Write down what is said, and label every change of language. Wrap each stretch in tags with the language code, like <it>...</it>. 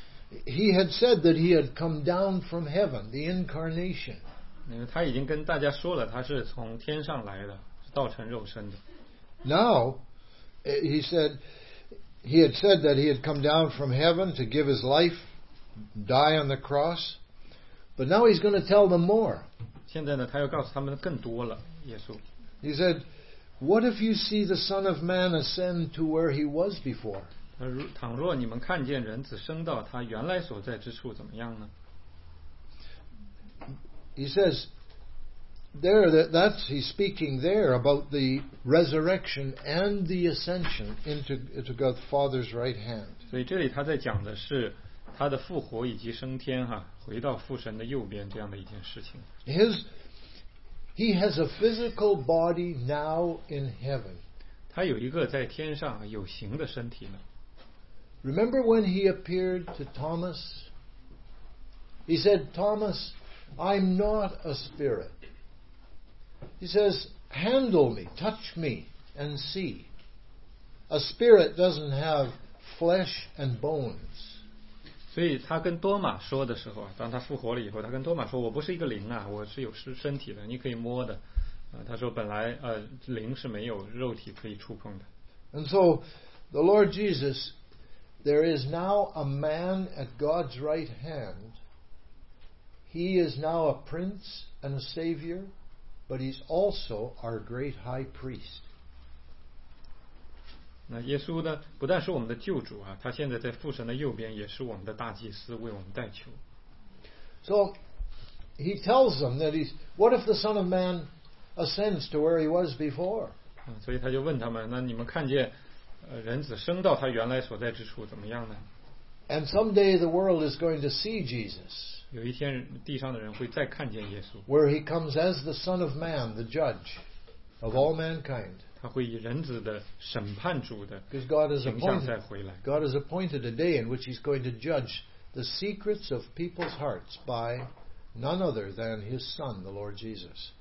<en>He had said that he had come down from heaven, the incarnation.</en> <zh>因为他已经跟大家说了，他是从天上来的，是道成肉身的。</zh> <en>Now, he said, he had said that he had come down from heaven to give his life, die on the cross, but now he's going to tell them more.</en> <zh>现在呢，他又告诉他们更多了，耶稣。</zh> <en>He said, "What if you see the Son of Man ascend to where he was before?"</en> <zh>倘若你们看见人子升到他原来所在之处，怎么样呢？</zh> <en>He says, "There, that's he's speaking there about the resurrection and the ascension into God's Father's right hand."</en> <zh>所以这里他在讲的是他的复活以及升天哈，回到父神的右边这样的一件事情。</zh> <en>He has a physical body now in heaven.</en> <zh>他有一个在天上有形的身体呢。</zh> <en>Remember when he appeared to Thomas? He said, "Thomas." I'm not a spirit. He says, handle me, touch me, and see. A spirit doesn't have flesh and bones.</en> <zh>所以他跟多马说的时候，当他复活了以后，他跟多马说，我不是一个灵啊，我是有身体的，你可以摸的。他说本来灵是没有肉体可以触碰的。</zh> <en>And so, the Lord Jesus, there is now a man at God's right hand. He is now a prince and a savior, but he's also our great high priest.</en> <zh>那耶稣呢？不但是我们的救主啊，他现在在父神的右边，也是我们的大祭司，为我们代求。</zh> <en>So he tells them that he's. What if the Son of Man ascends to where he was before?</en> <zh>所以他就问他们：那你们看见人子升到他原来所在之处怎么样呢？</zh> <en>And someday the world is going to see Jesus.</en> <zh>有一天，地上的人会再看见耶稣。</zh> <en>Where he comes as the Son of Man, the Judge of all mankind.</en> <zh>他会以人子的审判主的形象再回来。</zh> <en>God has appointed a day in which he's going to judge the secrets of people's hearts by none other than his Son, the Lord Jesus.</en>